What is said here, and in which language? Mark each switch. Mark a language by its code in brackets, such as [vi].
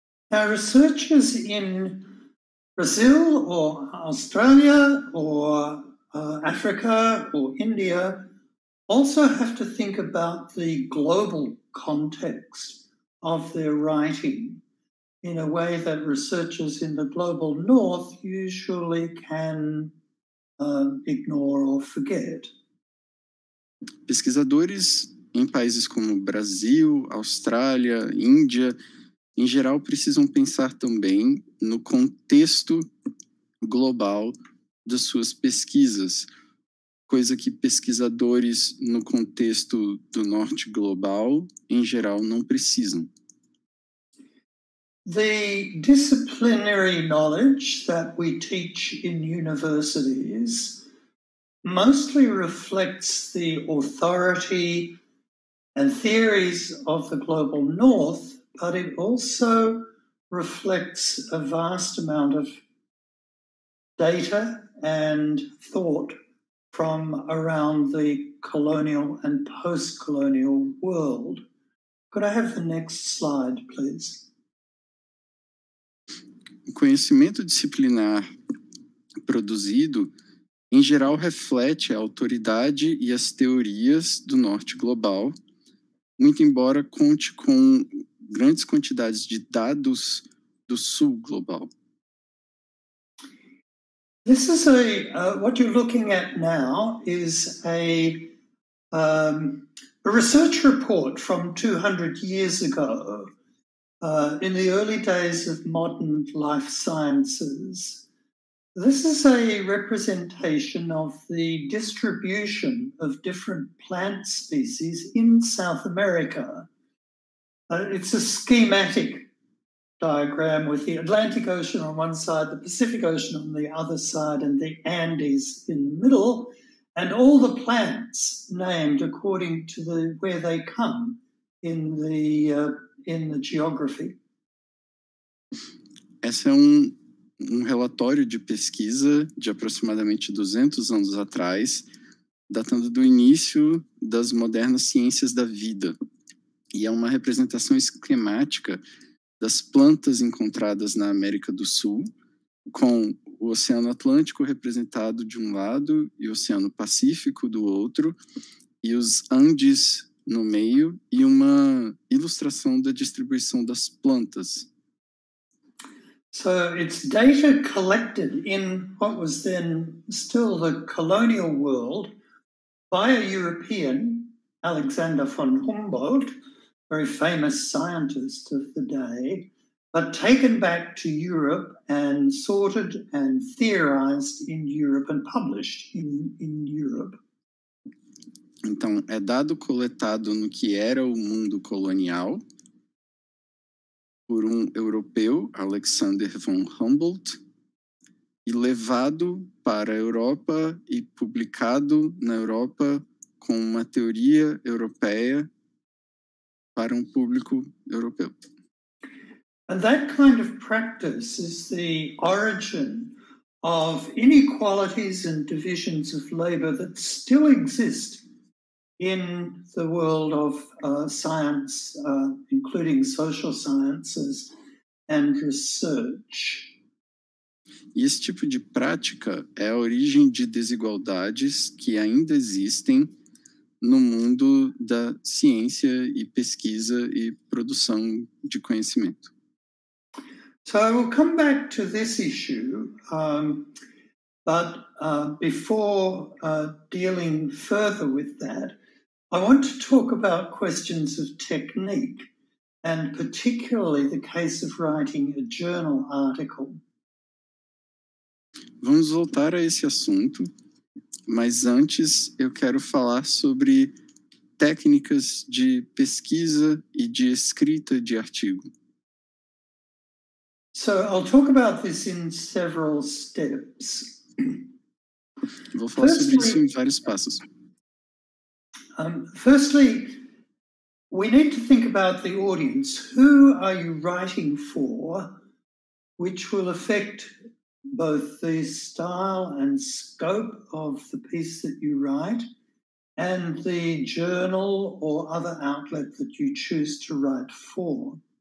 [en] Now, researchers in Brazil or Australia or Africa or India also have to think about the global context of their writing in a way that researchers in the global north usually can ignore or forget. [pt] Pesquisadores em países como Brasil, Austrália, Índia, em geral, precisam pensar também no contexto global das suas pesquisas, coisa que pesquisadores no contexto do norte global, em geral, não precisam. [en] The disciplinary knowledge that we teach in universities mostly reflects the authority and theories of the global north, but it also reflects a vast amount of data and thought from around the colonial and post-colonial world. Could I have the next slide, please? [pt] O conhecimento disciplinar produzido, em geral, reflete a autoridade e as teorias do norte global, muito embora conte com grandes quantidades de dados do sul global. [en] This is a what you're looking at now is a research report from 200 years ago in the early days of modern life sciences. This is a representation of the distribution of different plant species in South America. It's a schematic diagram with the Atlantic Ocean on one side, the Pacific Ocean on the other side, and the Andes in the middle, and all the plants named according to the where they come in the geography. [pt] Esse é um relatório de pesquisa de aproximadamente 200 anos atrás, datando do início das modernas ciências da vida. E é uma representação esquemática das plantas encontradas na América do Sul, com o Oceano Atlântico representado de um lado e o Oceano Pacífico do outro, e os Andes no meio, e uma ilustração da distribuição das plantas. [en] So it's data collected in what was then still the colonial world by a European, Alexander von Humboldt, very famous scientist of the day, but taken back to Europe and sorted and theorized in Europe and published in Europe. [pt] Então, é dado coletado no que era o mundo colonial por europeu, Alexander von Humboldt, e levado para a Europa e publicado na Europa com uma teoria europeia para público europeu. [en] And that kind of practice is the origin of inequalities and divisions of labor that still exist in the world of science, including social sciences and research. [pt] E esse tipo de prática é a origem de desigualdades que ainda existem no mundo da ciência e pesquisa e produção de conhecimento. [en] So I will come back to this issue, but before dealing further with that, I want to talk about questions of technique, and particularly the case of writing a journal article. [pt] Vamos voltar a esse assunto. Mas antes, eu quero falar sobre técnicas de pesquisa e de escrita de artigo. [en] So I'll talk about this in several steps. [pt] Vou falar firstly, sobre isso em vários passos. [en] Firstly, we need to think about the audience. Who are you writing for, which will affect both the style and scope of the piece that you write and the journal or other outlet that you choose to write for?